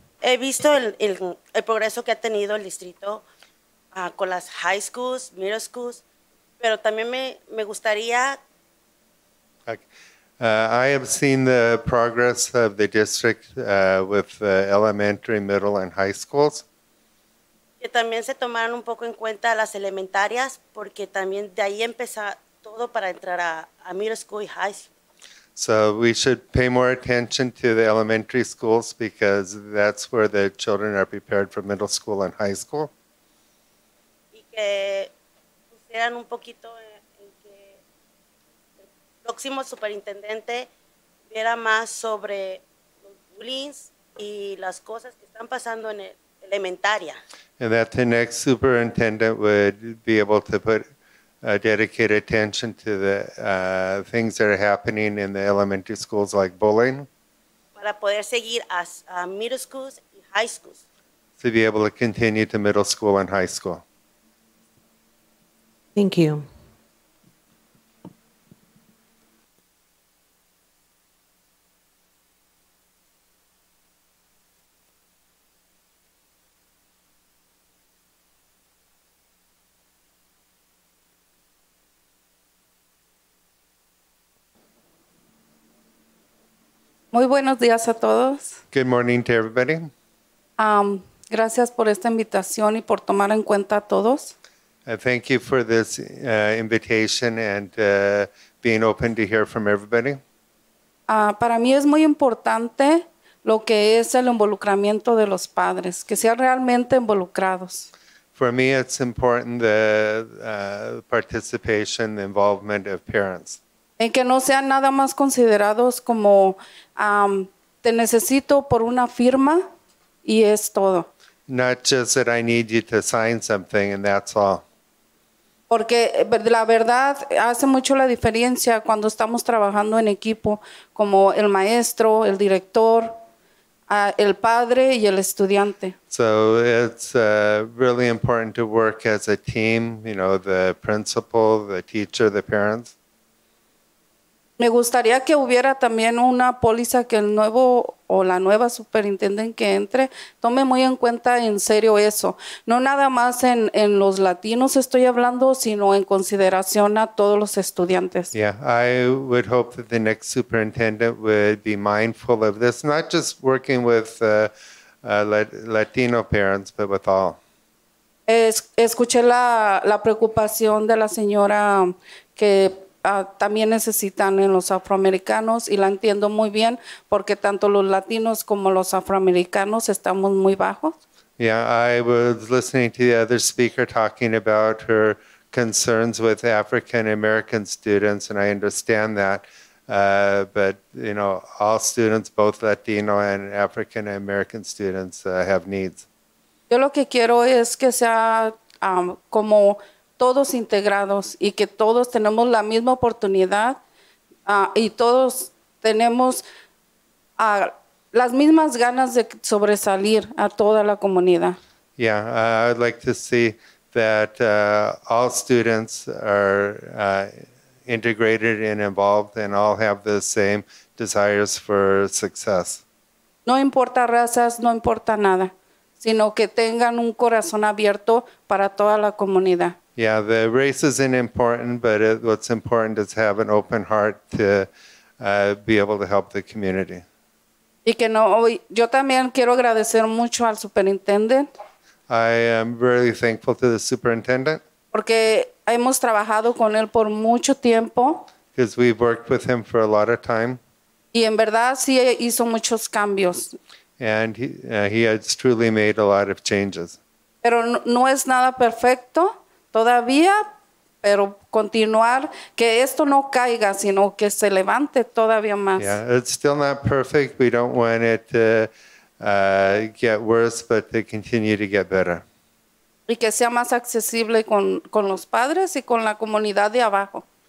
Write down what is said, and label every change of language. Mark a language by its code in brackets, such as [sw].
[es] He visto el progreso que ha tenido el distrito con las high schools, middle schools, pero también me gustaría. [en] I have seen the progress of the district with elementary, middle, and high schools. [es] Que también se tomaran un poco en cuenta las elementarias, porque también de ahí empieza todo para entrar a middle school y high school. [en] So we should pay more attention to the elementary schools because that's where the children are prepared for middle school and high school. [es] Y que pusieran un poquito en que el próximo superintendente viera más sobre los bullying y las cosas que están pasando en el elementaria. [en] And that the next superintendent would be able to put dedicate attention to the things that are happening in the elementary schools like bullying. [es] Para poder seguir a middle schools y high schools. [en] To be able to continue to middle school and high school. Thank you. [es] Muy buenos días a todos. [en] Good morning to everybody. [es] Gracias por esta invitación y por tomar en cuenta a todos. [en] Thank you for this invitation and being open to hear from everybody. [es] Para mí es muy importante lo que es el involucramiento de los padres, que sean realmente involucrados. [en] For me, it's important the participation, the involvement of parents. [es] En que no sean nada más considerados como te necesito por una firma y es todo. [en] Not just that I need you to sign something and that's all. [es] Porque la verdad hace mucho la diferencia cuando estamos trabajando en equipo como el maestro, el director, el padre y el estudiante. [en] So it's really important to work as a team, you know, the principal, the teacher, the parents. [es] Me gustaría que hubiera también una póliza que el nuevo o la nueva superintendente que entre tome muy en cuenta en serio eso. No nada más en los latinos estoy hablando, sino en consideración a todos los estudiantes. [en] Yeah, I would hope that the next superintendent would be mindful of this, not just working with Latino parents, but with all. [es] Escuché la preocupación de la señora que también necesitan en los afroamericanos y la entiendo muy bien porque tanto los latinos como los afroamericanos estamos muy bajos. [en] Yeah, I was listening to the other speaker talking about her concerns with African American students and I understand that, but you know, all students, both Latino and African American students have needs. [es] Yo lo que quiero es que sea como todos integrados y que todos tenemos la misma oportunidad y todos tenemos las mismas ganas de sobresalir a toda la comunidad. [en] Yeah, I'd like to see that all students are integrated and involved and all have the same desires for success. [es] No importa razas, no importa nada, sino que tengan un corazón abierto para toda la comunidad. [en] Yeah, the race isn't important, but what's important is have an open heart to be able to help the community. [es] Y que no, yo también quiero agradecer mucho al superintendent. [en] I am really thankful to the superintendent. [es] Porque hemos trabajado con él por mucho tiempo. [en] Because we've worked with him for a lot of time. [es] Y en verdad sí hizo muchos cambios. [en] And he has truly made a lot of changes. [es] Pero no es nada perfecto. Todavía, pero continuar, que esto no caiga, sino que se levante todavía más. [en] Yeah, it's still not perfect. We don't want it to get worse, but to continue to get better. [es] Y que sea más accesible con los padres y con la comunidad de abajo.